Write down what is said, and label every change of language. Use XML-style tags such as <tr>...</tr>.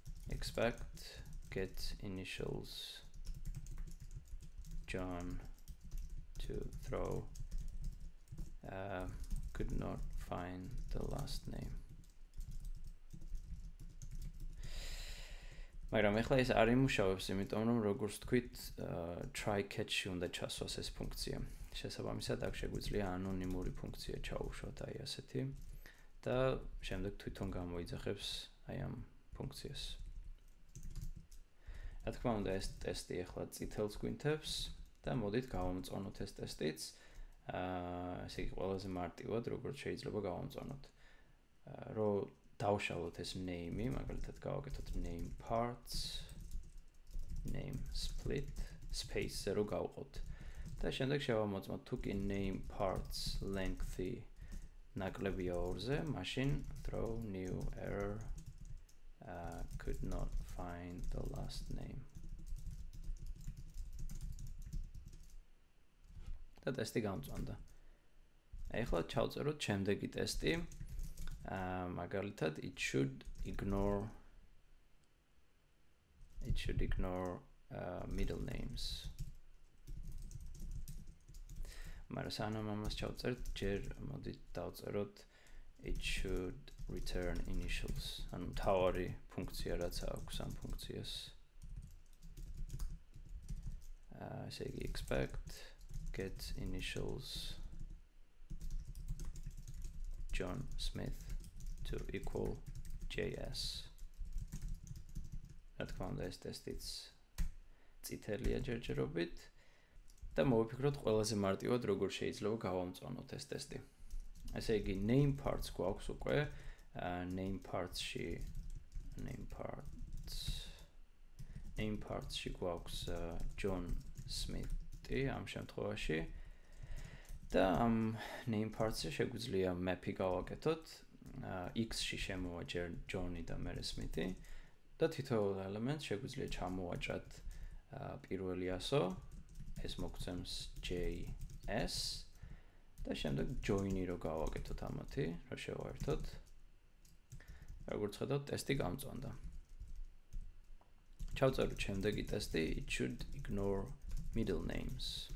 <en>Expect get initials John to throw could not find the last name.</en> <ka>მაგრამ ახლა ეს არ იმუშავებს, იმიტომ რომ როგორც თქვით, try catch-ში უნდა ჩასვას ეს ფუნქცია. შესაბამისად, აქ შეგვიძლია ანონიმური ფუნქცია ჩაუშვათ, აი ასეთი. და შემდეგ თვითონ გამოიძახებს აი ამ ფუნქციას. რა თქმა უნდა, ეს ტესტი ახლა წითელს გვინთებს. და მოდით გავამწვანოთ ეს ტესტიც. ესე იგი, ყველაზე მარტივად როგორც შეიძლება გავამწვანოთ. რომ დავშალოთ ეს name-ი, მაგალითად გავაკეთოთ</ka> <en>name parts name split space-</en> <ka>ზე რო გავყოთ. და შემდეგ შევამოწმოთ თუ კი name parts length-ი ნაკლებია 2-ზე, მაშინ</ka> <en>throw new error could not find the last name.</en> <ka>და ტესტი გამოწონდა. ეხლა ჩავწეროთ შემდეგი ტესტი. Მაგალითად,</ka> <en>it should ignore middle names. Мара сана мамас</en> <ka>ჩავწერთ, ჯერ მოდით დავწეროთ</ka> <en>it should return initials.</en> <ka>ანუ თავი ფუნქცია რაც აქვს ამ ფუნქციას. ასე იგი</ka> <en>expect get initials John Smith to equal JS.</en> <ka>რა თქმა უნდა ეს ტესტიც წითელია ჯერჯერობით. Და მოვიფიქროთ ყველაზე მარტივად როგორ შეიძლება გავამწვანოთ ეს ტესტი. ესე იგი name parts გვაქვს უკვე. name parts-ში გვაქვს John Smith-ი ამ შემთხვევაში. და ამ name parts-ზე შეგვიძლია map-ი გავაკეთოთ. X-ში შემოვაჯერ John-ი და მერე Smith-ი. და თითოეულ elements შეგვიძლია ჩამოვაჭრათ პირველი ასო. ეს მოგცემს JS და შემდეგ join-ი რო გავაკეთოთ ამათი, რა შევაერთოთ. როგორც ხედავთ, ტესტი გამწონდა. ჩავწერო შემდეგი ტესტი,</ka> <en>it should ignore middle names.</en>